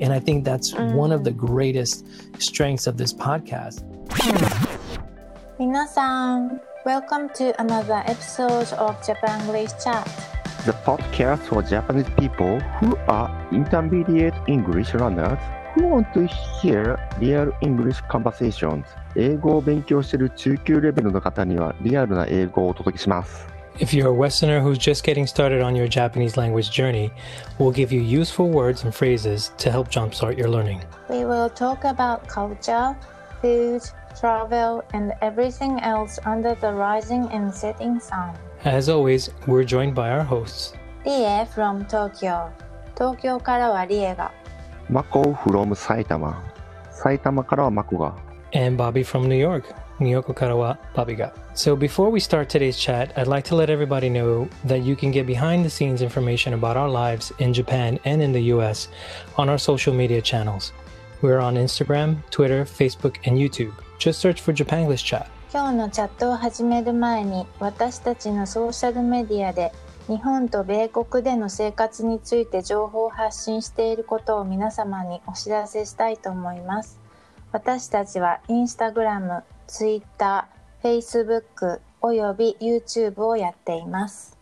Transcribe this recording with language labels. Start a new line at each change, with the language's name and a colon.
English: And I think that's one of the greatest strengths of this podcast.
Japanese: 皆さん,
English: welcome to another episode of Japanglish Chat, the podcast for Japanese people who are intermediate English learners who want to hear real English conversations.
Japanese: 英語を勉強している中級レベルの方にはリアルな英語をお届けします。
English: If you're a Westerner who's just getting started on your Japanese language journey, we'll give you useful words and phrases to help jumpstart your learning. We will talk about culture, food, travel, and everything else under the rising and setting sun. As always, we're joined by our hosts. Rie from Tokyo.
Japanese: 東京からはリエが。
English: Mako from 埼玉。
Japanese: 埼玉からはマコが。
English: And Bobby from New York.
Japanese: ニューヨークからはバビが。
English: So before we start today's chat, I'd like to let everybody know that you can get behind the scenes information about our lives in Japan and in the US on our social media channels. We're on Instagram, Twitter, Facebook, and YouTube. Just search for Japanglish Chat.
Japanese: 今日のチャットを始める前に、私たちのソーシャルメディアで日本と米国での生活について情報を発信していることを皆様にお知らせしたいと思います。私たちはインスタグラム、ツイッター、フェイスブックおよび YouTube をやっています。